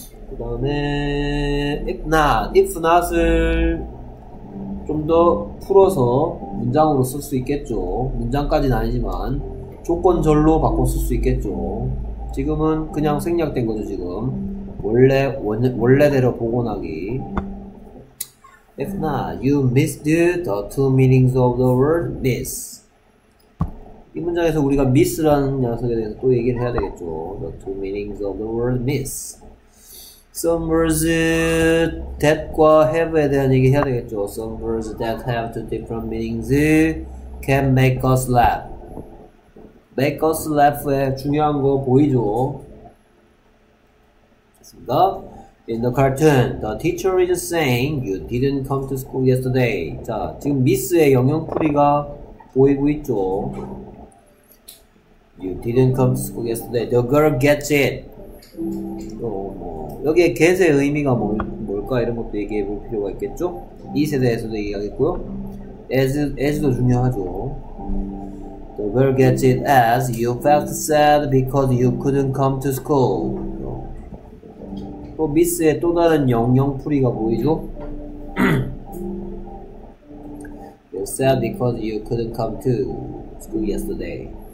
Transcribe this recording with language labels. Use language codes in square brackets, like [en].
[ko] 그 다음에 if not을 좀 더 풀어서 문장으로 쓸 수 있겠죠. 문장까지는 아니지만 조건절로 바꿔 쓸 수 있겠죠. 지금은 그냥 생략된 거죠. 지금 원래대로 복원하기. [en] If not, you missed the two meanings of the word miss. [ko] 이 문장에서 우리가 miss라는 녀석에 대해서 또 얘기를 해야 되겠죠. [en] The two meanings of the word miss. Some words that과 have에 [ko] 대한 얘기 해야 되겠죠. [en] Some words that have two different meanings can make us laugh. Make us laugh [ko] 의 중요한 거 보이죠? 됐습니다. [en] In the cartoon, the teacher is saying you didn't come to school yesterday. [ko] 자, 지금 miss의 영영풀이가 보이고 있죠? [en] You didn't come to school yesterday. The girl gets it. [ko] 여기에 get의 의미가 뭘까 이런 것도 얘기해 볼 필요가 있겠죠. it에 대해서도 얘기하겠고요. as도 중요하죠. [en] The girl gets it as you felt sad because you couldn't come to school. [ko] 또 miss의 또 다른 영영풀이가 보이죠. [en] You're sad because you couldn't come to school yesterday.